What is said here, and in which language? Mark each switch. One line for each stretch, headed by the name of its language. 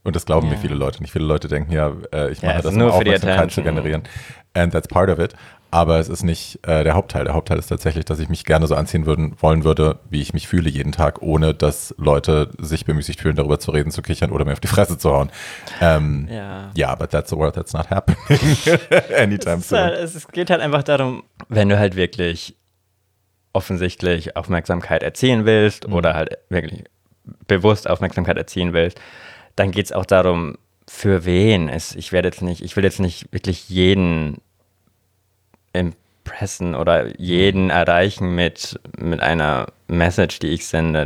German: Und das glauben mir viele Leute nicht. Viele Leute denken, ich mache das nur auch, um Aufmerksamkeit zu generieren.
English: And that's part of it.
German: Aber es ist nicht der Hauptteil. Der Hauptteil ist tatsächlich, dass ich mich gerne so anziehen wollen würde, wie ich mich fühle jeden Tag, ohne dass Leute sich bemüßigt fühlen, darüber zu reden, zu kichern oder mir auf die Fresse zu hauen.
English: But that's the world that's not happening anytime soon.
German: Es geht halt einfach darum, wenn du halt wirklich offensichtlich Aufmerksamkeit erzielen willst oder halt wirklich bewusst Aufmerksamkeit erzielen willst, dann geht es auch darum, für wen. Ich will jetzt nicht wirklich jeden impressen oder jeden erreichen mit einer Message, die ich sende.